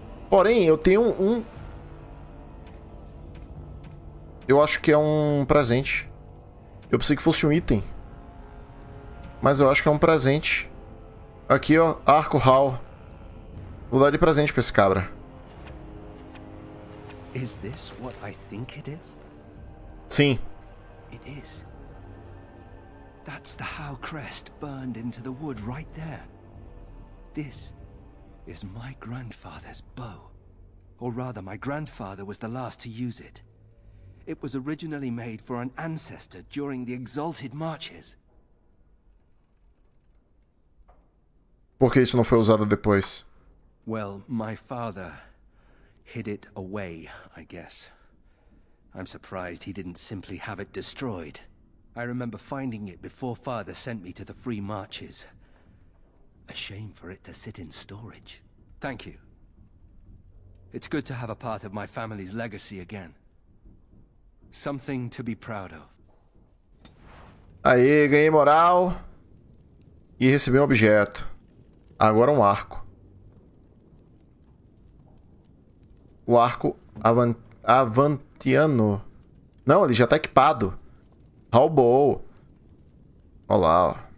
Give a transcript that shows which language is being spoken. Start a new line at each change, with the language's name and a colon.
Portuguese: Porém, eu tenho um... Eu acho que é um presente. Eu pensei que fosse um item. Mas eu acho que é um presente. Aqui, ó. Arco Hall. Vou dar de presente pra esse cabra.
English: Is this what I think it is?
Portuguese: Sim.
English: It is. That's the Hal crest burned into the wood right there. This is my grandfather's bow. Or rather, my grandfather was the last to use it. It was originally made for an ancestor during the Exalted Marches. Por que isso não foi usado depois? Well, my father hid it away, I guess. I'm surprised he didn't simply have it destroyed. I remember finding it before father sent me to the Free Marches. A shame for it to sit in storage. Thank you. It's good to have a part of my family's legacy again. Something to be proud of.
Portuguese: Aí, ganhei moral e recebi um objeto. Agora um arco. O arco avantiano. Não, ele já tá equipado. Roubou. Olha lá, ó.